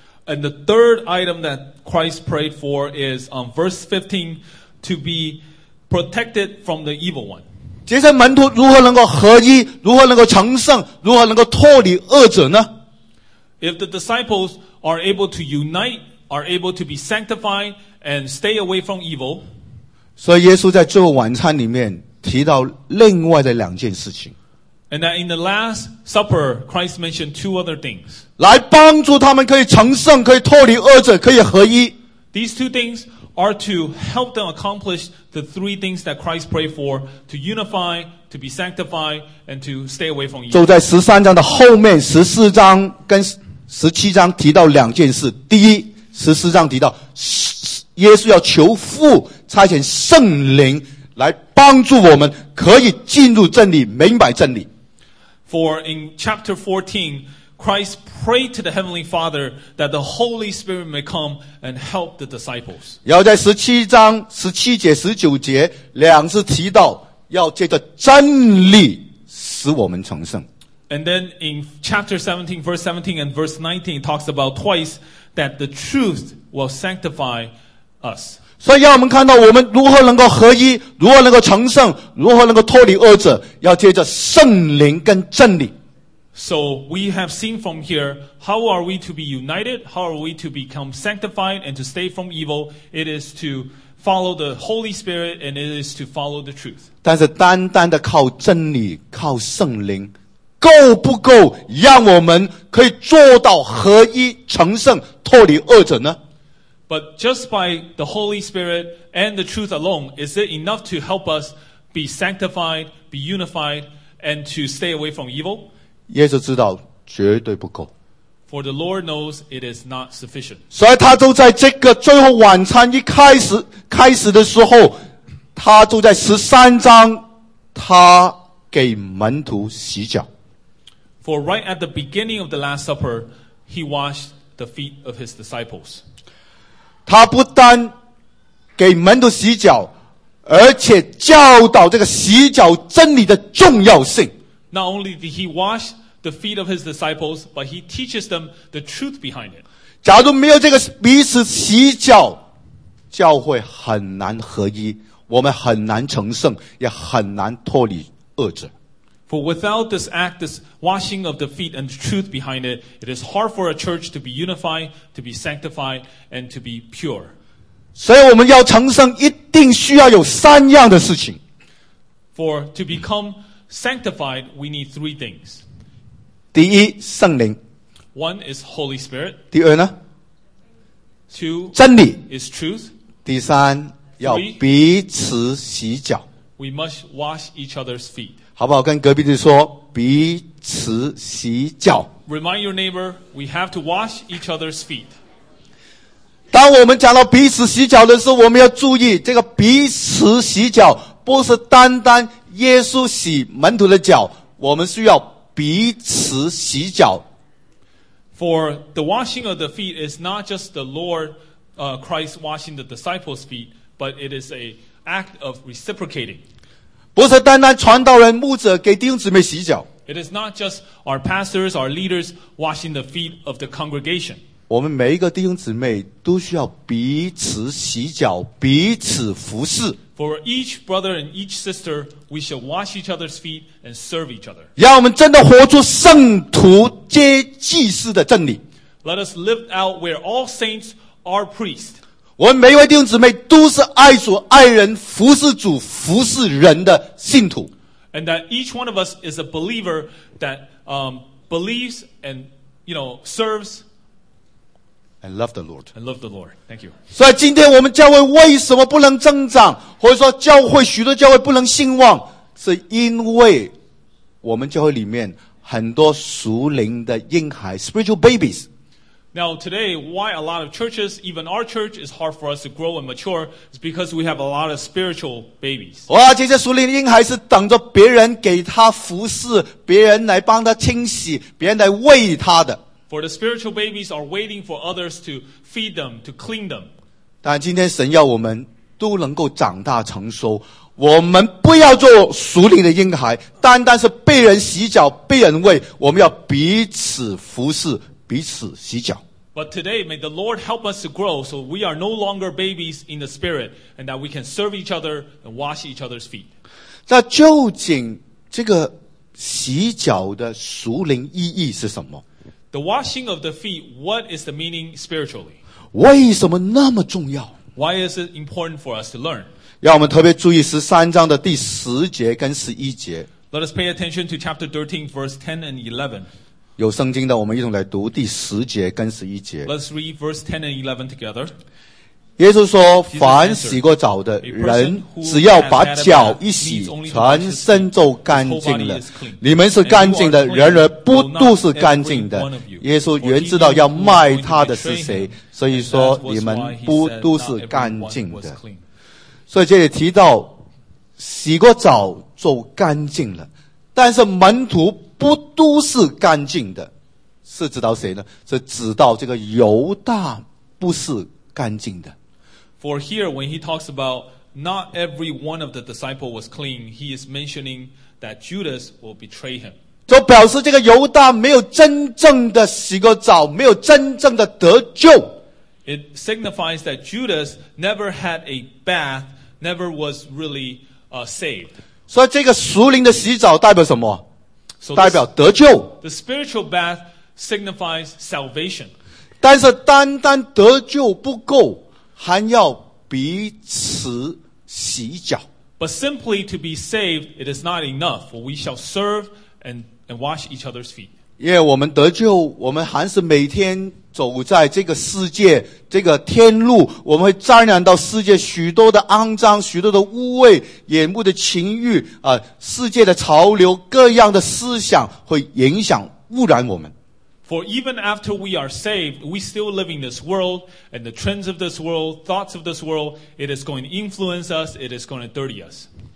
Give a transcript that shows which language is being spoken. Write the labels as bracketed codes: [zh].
[en] And the third item that Christ prayed for is verse 15, to be protected from the evil one. [zh] 这些门徒如何能够合一，如何能够成圣，如何能够脱离恶者呢？ [en] If the disciples are able to unite, are able to be sanctified and stay away from evil. [zh] 所以耶稣在最后晚餐里面提到另外的两件事情。 [en] And that in the Last Supper, Christ mentioned two other things. [zh] 来帮助他们可以成圣，可以脱离恶者，可以合一。 [en] These two things are to help them accomplish the three things that Christ prayed for, to unify, to be sanctified, and to stay away from evil. [zh] 就在13章的后面，14章跟17章提到两件事。第一，14章提到，耶稣要求父差遣圣灵来帮助我们可以进入真理，明白真理。 [en] For in chapter 14, Christ prayed to the Heavenly Father that the Holy Spirit may come and help the disciples. [zh] 然后在17章17节19节两次提到要借着真理使我们成圣。 [en] And then in chapter 17, verse 17 and verse 19, it talks about twice that the truth will sanctify us. [zh] 所以让我们看到我们如何能够合一，如何能够成圣，如何能够脱离恶者，要借着圣灵跟真理。 [en] So we have seen from here, how are we to be united? How are we to become sanctified and to stay from evil? It is to follow the Holy Spirit and it is to follow the truth. [zh] 但是单单的靠真理，靠圣灵，够不够让我们可以做到合一、成圣、脱离恶者呢？ [en] But just by the Holy Spirit and the truth alone, is it enough to help us be sanctified, be unified, and to stay away from evil? [zh] 耶稣知道绝对不够。 [en] For the Lord knows it is not sufficient. [zh] 所以他都在这个最后晚餐一开始的时候，他都在13章，他给门徒洗脚。 [en] For right at the beginning of the Last Supper, he washed the feet of his disciples. [zh] 他不单给门徒洗脚，而且教导这个洗脚真理的重要性。 [en] Not only did he wash the feet of his disciples, but he teaches them the truth behind it. [zh] 假如没有这个彼此洗脚，教会很难合一，我们很难成圣，也很难脱离恶者。 [en] For without this act, this washing of the feet and the truth behind it, it is hard for a church to be unified, to be sanctified, and to be pure. [zh] 所以我们要成圣一定需要有三样的事情。 [en] For to become sanctified, we need three things. [zh] 第一，圣灵。 [en] One is Holy Spirit. [zh] 第二呢？ [en] Two, [zh] 真理。 [en] Is truth. [zh] 第三，要彼此洗脚。 [en] We must wash each other's feet. [zh] 好不好跟隔壁的说彼此洗脚。 [en] Remind your neighbor, we have to wash each other's feet. [zh] 当我们讲到彼此洗脚的时候，我们要注意这个彼此洗脚不是单单耶稣洗门徒的脚，我们需要彼此洗脚。 [en] For the washing of the feet is not just the Lord, Christ washing the disciples' feet, but it is an act of reciprocating. [zh] 不是单单传道人牧者给弟兄姊妹洗脚。 [en] It is not just our pastors, our leaders washing the feet of the congregation. [zh] 我们每一个弟兄姊妹都需要彼此洗脚，彼此服侍。 [en] For each brother and each sister, we shall wash each other's feet and serve each other. [zh] 让我们真的活出圣徒皆祭司的真理。 [en] Let us live out where all saints are priests. [zh] 我们每一位弟兄姊妹都是爱主、爱人、服侍主、服侍人的信徒。 [en] And that each one of us is a believer that, believes and, you know, serves. And love the Lord. And love the Lord. Thank you. [zh] 所以今天我们教会为什么不能增长，或者说教会许多教会不能兴旺，是因为我们教会里面很多属灵的婴孩 , [en] spiritual babies. Now today, why a lot of churches, even our church, is hard for us to grow and mature is because we have a lot of spiritual babies. [zh] 哇，这些属灵的婴孩是等着别人给他服侍，别人来帮他清洗，别人来喂他的。 [en] For the spiritual babies are waiting for others to feed them, to clean them. [zh] 但今天神要我们都能够长大成熟，我们不要做属灵的婴孩，单单是被人洗脚，被人喂，我们要彼此服侍。彼此洗脚。 [en] But today, may the Lord help us to grow so we are no longer babies in the spirit and that we can serve each other and wash each other's feet. [zh] 那究竟这个洗脚的属灵意义是什么？ [en] The washing of the feet, what is the meaning spiritually? [zh] 为什么那么重要？ [en] Why is it important for us to learn? [zh] 让我们特别注意13章的第十节跟十一节。 [en] Let us pay attention to chapter 13, verse 10 and 11. [zh] 有圣经的我们一同来读第十节跟十一节。 [en] Let's read verse 10 and 11 together. [zh] 耶稣说凡洗过澡的人只要把脚一洗全身就干净了。你们是干净的人人不都是干净的。耶稣原知道要卖他的是谁所以说你们不都是干净的。所以这里提到洗过澡就干净了但是门徒不都是干净的是指到谁呢是指到这个犹大不是干净的 [en] For here when he talks about not every one of the disciples was clean he is mentioning that Judas will betray him [zh] 就表示这个犹大没有真正的洗过澡没有真正的得救 [en] It signifies that Judas never had a bath never was really saved [zh] 所以这个属灵的洗澡代表什么代表得救 [en] The spiritual bath signifies salvation [zh] 但是单单得救不够还要彼此洗脚 [en] But simply to be saved it is not enough for we shall serve and wash each other's feet [zh] 因为我们得救我们还是每天走在这个世界这个天路我们会沾染到世界许多的肮脏许多的污秽眼目的情欲、世界的潮流各样的思想会影响污染我们 [en] For even after we are saved we still live in this world and the trends of this world thoughts of this world it is going to influence us it is going to dirty us